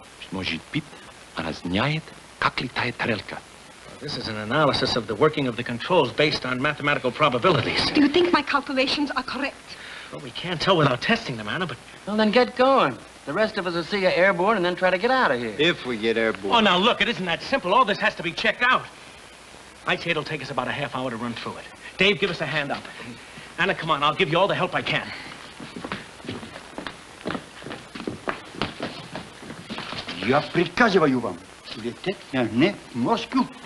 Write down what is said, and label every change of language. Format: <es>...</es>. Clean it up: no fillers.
<ru>Может быть, она знает, как летает тарелка?</ru> <en>This is an analysis of the working of the controls based on mathematical probabilities. Do you think my calculations are correct? Well, we can't tell without testing them, Anna, but... Well, then get going. The rest of us will see you airborne and then try to get out of here. If we get airborne. Oh, now look, it isn't that simple. All this has to be checked out. I'd say it'll take us about a half hour to run through it. Dave, give us a hand up. Anna, come on, I'll give you all the help I can.</en> <ru>Я приказываю вам лететь на Москву.</ru>